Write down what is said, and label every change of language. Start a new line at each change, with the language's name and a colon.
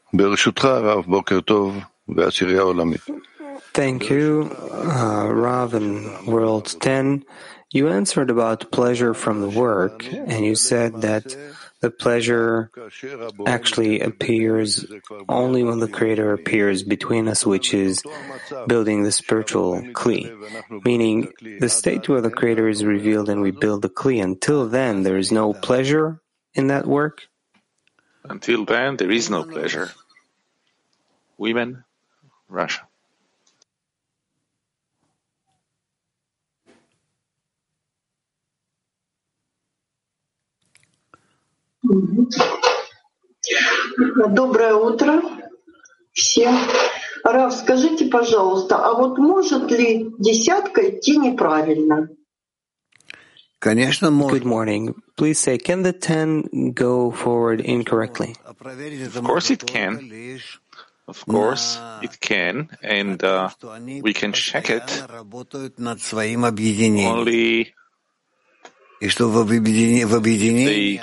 English: Берешутха, Рав, бокер тов, ва'ширья оламит. Thank you, Rav and World 10. You answered about pleasure from the work, and you said that the pleasure actually appears only when the Creator appears between us, which is building the spiritual kli, meaning the state where the Creator is revealed and we build the kli. Until then, there is no pleasure in that work? Until then, there is no pleasure. Women, Russia.
Russian: Доброе утро всем. Рав, скажите, пожалуйста, а вот может ли десятка идти неправильно? Конечно, может.
English: Good morning. Please say, can the ten go forward incorrectly? Of course it can. Of course it can. And we can check it. Only...
Russian: И что в объединении,